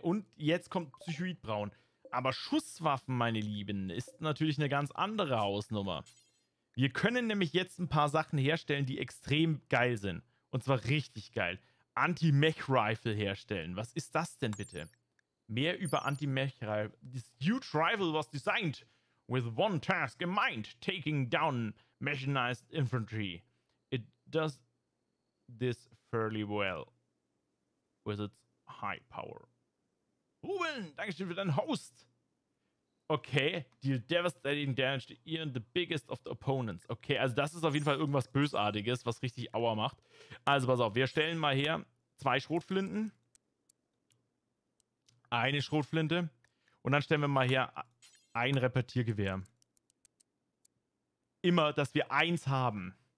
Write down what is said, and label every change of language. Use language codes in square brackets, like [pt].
[de] Und jetzt kommt Psychoidbraun. Aber Schusswaffen, meine Lieben, ist natürlich eine ganz andere Hausnummer. Wir können nämlich jetzt ein paar Sachen herstellen, die extrem geil sind. Und zwar richtig geil. Anti-Mech-Rifle herstellen. Was ist das denn bitte? Mehr über Anti-Mech-Rifle. [en] This huge rifle was designed... With one task in mind, taking down mechanized infantry. It does this fairly well with its high power. [de] Ruben, danke schön für deinen Host. [en] Okay, deal devastating damage to even the biggest of the opponents. [de] Okay, also das ist auf jeden Fall irgendwas Bösartiges, was richtig Aua macht. Also pass auf, wir stellen mal her zwei Schrotflinten. Eine Schrotflinte. Und dann stellen wir mal her... Ein Repetiergewehr. Immer, dass wir eins haben.